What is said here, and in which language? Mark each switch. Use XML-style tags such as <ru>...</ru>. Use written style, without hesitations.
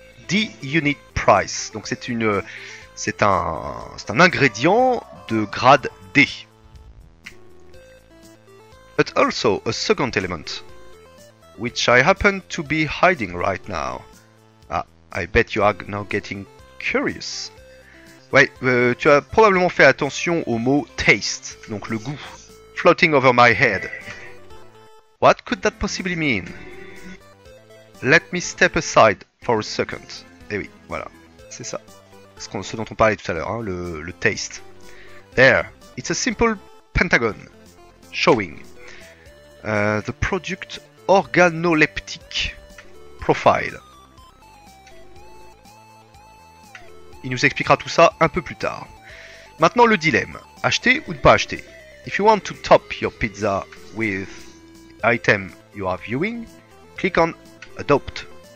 <en>D unit price.</en> <fr>Donc c'est un ingrédient de grade D.</fr> <en>But also a second element, which I happen to be hiding right now. Ah, I bet you are now getting curious.</en> <fr>Ouais, tu as probablement fait attention au mot taste, donc le goût.</fr> <en>Floating over my head. What could that possibly mean? Let me step aside for a second.</en> <fr>Eh oui, voilà, c'est ça. Ce dont on parlait tout à l'heure, hein, le taste.</fr> <en>There, it's a simple pentagon showing the product organoleptic profile.</en> <fr>Il nous expliquera tout ça un peu plus tard. Maintenant, le dilemme. Acheter ou ne pas acheter?</fr> <en>If you want to top your pizza with the item you are viewing, click on Adopt.</en>